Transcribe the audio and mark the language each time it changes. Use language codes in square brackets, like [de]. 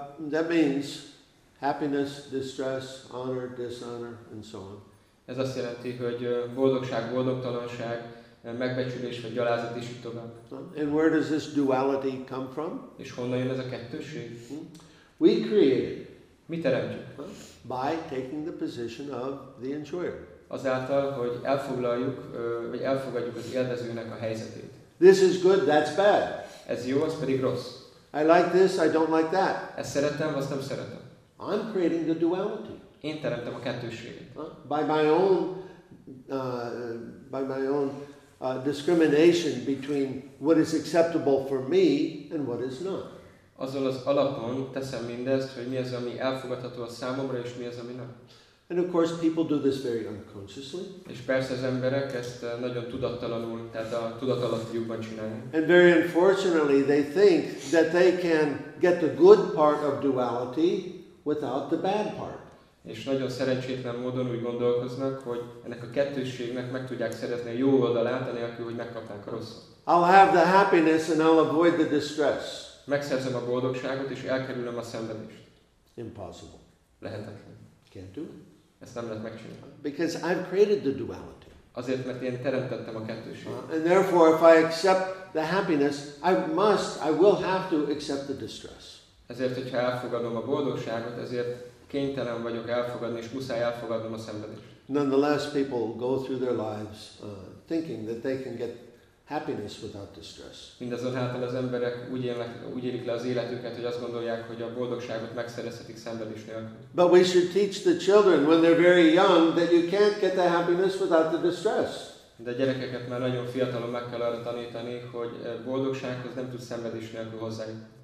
[en] That means happiness, distress, honor, dishonor, and so on. [hu] Ez azt jelenti, hogy boldogság, boldogtalanság, megbecsülés vagy gyalázat is itt tovább. [en] And where does this duality come from? [hu] És honnan jön ez a kettősség? [en] We create it. [hu] Mi teremtjük? [en] By taking the position of the enjoyer. [hu] Azáltal, hogy elfoglaljuk, vagy elfogadjuk az élvezőnek a helyzetét. [en] This is good, that's bad. [hu] Ez jó, az pedig rossz. [en] I like this, I don't like that. [hu] Ezt szeretem, azt nem szeretem. [en] I'm creating the duality. [hu] Én teremtem a kettőséget. [en] By my own discrimination between what is acceptable for me and what is not. [hu] Azzal az alapon teszem mindezt, hogy mi az, ami elfogadható a számomra, és mi az, ami nem. [en] And of course people do this very unconsciously. [hu] És persze az emberek ezt nagyon tudattalanul, tehát a tudatalattiukban csinálják. [en] And very unfortunately they think that they can get the good part of duality without the bad part. [hu] És nagyon szerencsétlen módon úgy gondolkoznak, hogy ennek a kettősségnek meg tudják szerezni a jó oldalát, anélkül, hogy megkapnák a rosszat. [en] I'll have the happiness and I'll avoid the distress. [hu] Megszerzem a boldogságot és elkerülöm a szenvedést. [en] Impossible. [hu] Lehetetlen. [en] Can't do it. [hu] Ezt nem lehet megcsinálni. [en] Because I've created the duality. [hu] Azért, mert én teremtettem a kettőséget. [en] And therefore, if I accept the happiness, I will have to accept the distress. [hu] Ezért, hogyha elfogadom a boldogságot, ezért kénytelen vagyok elfogadni, és muszáj elfogadnom a szenvedést. [en] Nonetheless, people go through their lives thinking that they can get happiness without distress. [hu] Mindazonáltal az emberek úgy élik le az életüket, hogy azt gondolják, hogy a boldogságot megszerezhetik szenvedés nélkül. [en] But we should teach the children when they're very young that you can't get the happiness without the distress. [hu] De a gyerekeket már nagyon fiatalon meg kell arra tanítani, hogy boldogsághoz nem tud szenvedés nélkül hozzájutni.